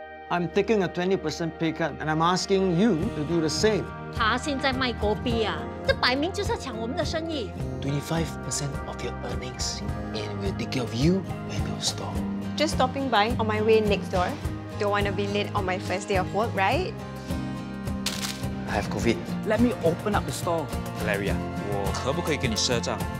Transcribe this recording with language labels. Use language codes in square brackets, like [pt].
[en] I'm taking a 20% pay cut, and I'm asking you to do the same. [zh] 他现在卖狗币啊，这摆明就是要抢我们的生意。 [en] 25% of your earnings, and we'll take care of you when you stop. Just stopping by on my way next door. Don't want to be late on my first day of work, right? I have COVID. Let me open up the store. [zh] Valeria, 我可不可以跟你赊账？